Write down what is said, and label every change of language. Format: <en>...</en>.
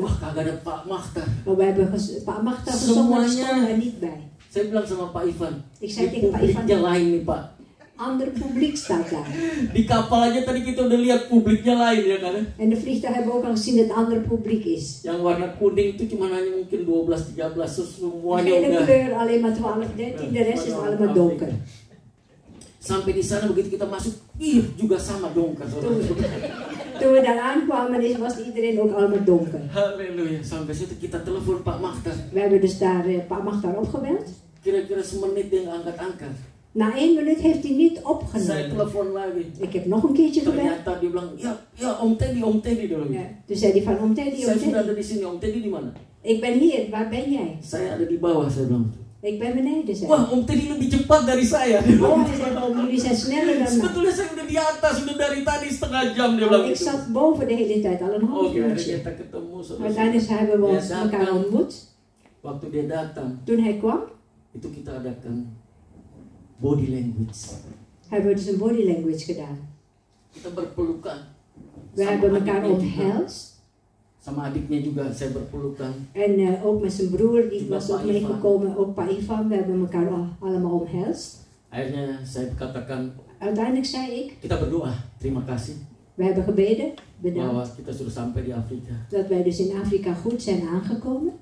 <id>Wah, kagak ada Pak Machtar.</id> <nl>Maar we hebben Pak Machtar gezongen, stonden er niet bij.</nl> <id>Saya bilang sama Pak Ivan.</id> <nl>Ik zei tegen Pak Ivan.</nl> <id>Publiknya lain nih Pak.</id> <nl>Ander publiek staat daar.</nl> <id>Di kapal aja tadi kita udah lihat publiknya lain ya kan?</id> <nl>En de vliegtuig hebben we ook al gezien dat ander publiek is.</nl> <id>Yang warna kuning itu cuma hanya mungkin 12-13 semuanya.</id> <nl>Geen kleur, alleen maar 12-13, de rest is allemaal donker.</nl> <id>Sampai di sana begitu kita masuk, ih juga sama donker.</id> <nl>Toen we daar aankwamen was iedereen ook allemaal donker.</nl> <id>Halleluja, sampai situ kita telepon Pak Machtar.</id> <nl>We hebben dus daar Pak Machtar opgebeld.</nl> <id>Kira-kira semenit dia angkat-angkat.</id> <nl>Na 1 minuut heeft hij niet opgenomen.</nl> <id>Saya telepon lagi.</id> <nl>Ik heb nog een keertje gebeld.</nl> <id>Ternyata dia bilang, ya om Teddy dulu. Ya.</id> <nl>Toen zei hij van om Teddy,</nl> <id>om Teddy. Saya sudah ada di sini, om Teddy di mana?</id> <nl>Ik ben hier, waar ben jij?</nl> <id>Saya ada di bawah, saya bilang.</id> <nl>Ik ben beneden, zei.</nl> <id>Wah, om Teddy lebih cepat dari saya.</id> <nl>Om jullie zijn sneller dan mij.</nl> <id>Sebetulnya saya udah di atas, udah dari tadi setengah jam, dia bilang.</id> <nl>Ik zat boven de hele tijd, al een half uurtje.</nl> <id>Oke, kita ketemu.</id> <nl>Uiteindelijk hebben we elkaar ontmoet.</nl> <id>Waktu dia datang.</id> <nl>Toen hij kwam.</nl> <id>Itu kita adakan. Body language.</id> <nl>Hebben we dus een body language gedaan.</nl> <id>Kita berpelukan.</id> <nl>We hebben elkaar omhelst.</nl> <id>Sama adiknya juga, saya berpelukan.</id> <nl>En ook met zijn broer, die juga was ook meegekomen, ook Pak Ivan, we hebben elkaar allemaal omhelst.</nl> <id>Akhirnya saya katakan.</id> <nl>Uiteindelijk zei ik.</nl> <id>Kita berdoa, terima kasih.</id> <nl>We hebben gebeden, bedankt.</nl> <id>Bahwa kita sudah sampai di Afrika.</id> <nl>Dat wij dus in Afrika goed zijn aangekomen.</nl>